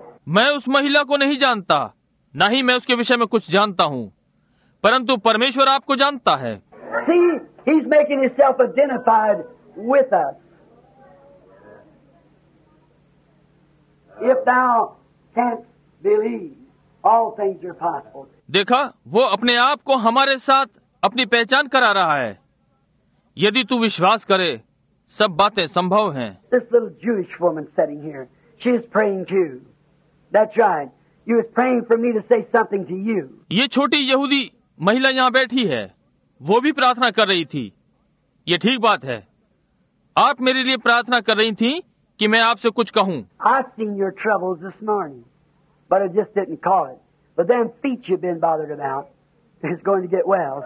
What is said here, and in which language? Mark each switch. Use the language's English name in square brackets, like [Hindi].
[Hindi] मैं उस महिला को नहीं जानता, ना ही मैं उसके विषय में कुछ जानता हूँ, परंतु परमेश्वर आपको जानता है। [English] See, he's making himself identified with us. If thou canst believe. All things are possible. [Hindi] देखा, वो अपने आप को हमारे साथ अपनी पहचान करा रहा है। यदि तू विश्वास करे, सब बातें संभव हैं। [English] This little Jewish woman sitting here, she is praying too. That's right. You was praying for me to say something to you. [Hindi] ये छोटी यहूदी महिला यहाँ बैठी है, वो भी प्रार्थना कर रही थी। ये ठीक बात है। आप मेरे लिए प्रार्थना कर रही थीं कि मैं आपसे कुछ कहूँ। [English] I've seen your troubles this morning. But I just didn't call it. But them feet you've been bothered about is going to get well.